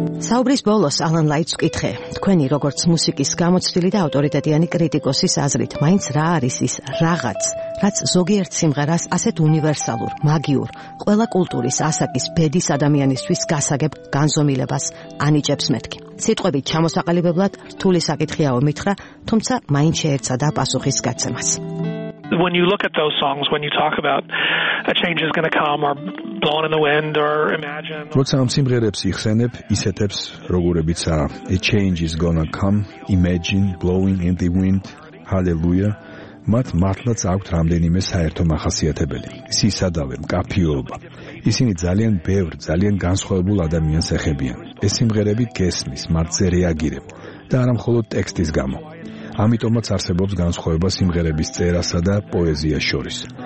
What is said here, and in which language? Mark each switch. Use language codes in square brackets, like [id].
[ka] საუბრის ბოლოს Alan Light-ს ვკითხე, თქვენი როგორც მუსიკის გამოცდილი და ავტორიტეტიანი კრიტიკოსის აზრით, მაინც რა არის ის რაღაც, რაც ზოგიერთ სიმღერას ასეთ უნივერსალურ, მაგიურ, ყველა კულტურის ასაკის ბედის ადამიანისთვის გასაგებ განზომილებას ანიჭებს მეთქი? სიტყვებით ჩამოსაყალიბებლად რთული საკითხია მითხრა, თუმცა მაინც შეეცადა პასუხის გაცემას. [en] When you look at those songs, when you talk about a change is going to come or blown in the wind or imagine. [ka] როცა ამ სიმღერებს იხსენებ, ისეთებს, როგორებიცა A change is gonna come, imagine, blowing in the wind, hallelujah. მათ მართლაც აქვთ რამდენიმე საერთო მახასიათებელი. სისადავე, მკაფიობა. ისინი ძალიან ბევრ, ძალიან განსხვავებულ ადამიანს ეხებიან. ეს სიმღერები გესმის, მარტო რეაგირებ და არა მხოლოდ ტექსტის გამო. ამიტომაც არსებობს განსხვავება სიმღერების წერასა და პოეზიას შორის.